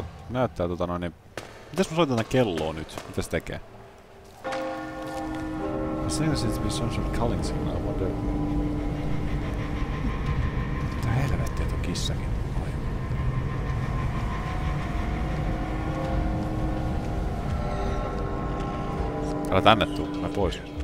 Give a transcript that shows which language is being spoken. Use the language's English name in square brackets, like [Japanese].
[Finnish] Näyttää tota noinen... Mitäs mä soitan tätä kelloa nyt? Mitäs tekee? [English] I think there seems to be some sort of calling signal, I wonder. [Finnish] Mitä helvettiä tuo kissakin? Älä tänne tuu, mä pois.